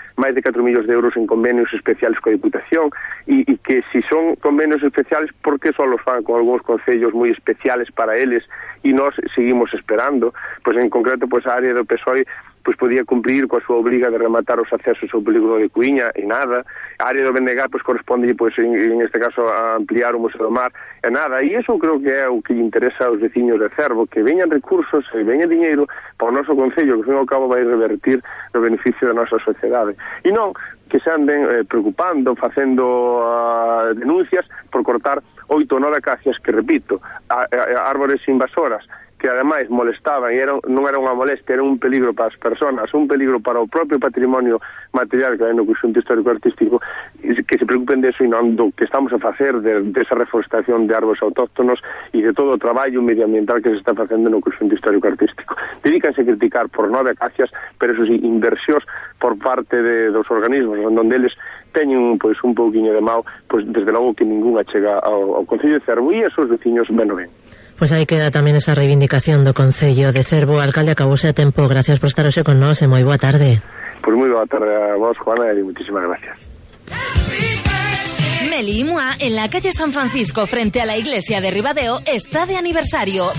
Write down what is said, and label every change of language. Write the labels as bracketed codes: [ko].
[gl] máis de 4 millóns de euros en convenios especiales coa Diputación, e que si son convenios especiales, por que só os fan con algúns concellos moi especiales para eles, e nós seguimos esperando, pues, en concreto, pues, a área do PSOE pues, podía cumplir coa súa obriga de rematar os accesos ao polígono de Cuíña, e nada. A área do Bendegar pues, corresponde, pues, en este caso, a ampliar o Museo do Mar, e nada. E iso creo que é o que interesa aos veciños de Cervo, que veñan recursos e veñan dinheiro para o noso concello, que, ao fin e ao cabo, vai revertir no beneficio da nosa sociedade. E non que se anden preocupando, facendo denuncias por cortar 8 ou 9 acacias, que, repito, árbores invasoras, que ademais molestaban e non era unha molestia, era un peligro para as persoas, un peligro para o propio patrimonio material que hai no conxunto histórico artístico, que se preocupen deso e non do que estamos a facer desa reforestación de árboles autóctonos e de todo o traballo medioambiental que se está facendo no conxunto histórico artístico. Dedícanse a criticar por 9 acacias, pero eso sí, inversións por parte dos organismos, onde eles teñen pues, un pouquinho de mal, pues desde logo que ninguna chega ao Concello de Cervo e esos veciños ben o ven. [es] Pues ahí queda también esa reivindicación do Concello de Cervo. [gl] Alcalde, acabouse a tempo. Gracias por estar hoxe con nos e moi boa tarde. Pues moi boa tarde a vos, Juana, e [es] muchísimas gracias. Meli y Mua, en la calle San Francisco, frente a la iglesia de Ribadeo, está de aniversario.